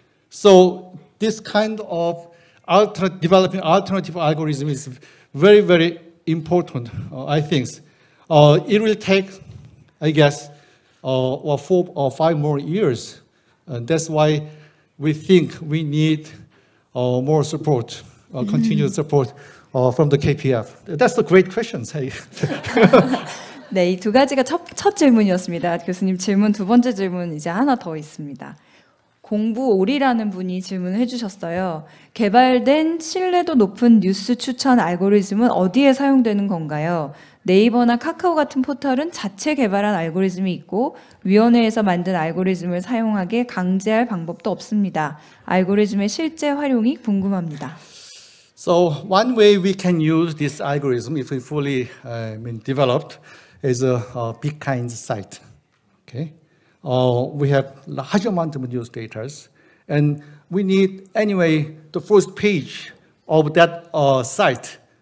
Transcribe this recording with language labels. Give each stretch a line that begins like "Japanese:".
English: So this kind of developing alternative algorithm is very, very important, I think. It will take, I guess, four or five more years. And that's why we think we need more support, continued support from the KPF. That's a great question.
Korean: 네, 이 두 가지가 첫 질문이었습니다. 교수님 질문 두 번째 질문 이제 하나 더 있습니다. 공부오리라는 분이 질문을 해주셨어요. 개발된 신뢰도 높은 뉴스 추천 알고리즘은 어디에 사용되는 건가요? 네이버나 카카오 같은 포털은 자체 개발한 알고리즘이 있고 위원회에서 만든 알고리즘을 사용하게 강제할 방법도 없습니다. 알고리즘의 실제 활용이 궁금합니다.
English: So one way we can use this algorithm if it's fully developed is a big kind site. Okay, we have large amount of news data, and we need anyway the first page of that site.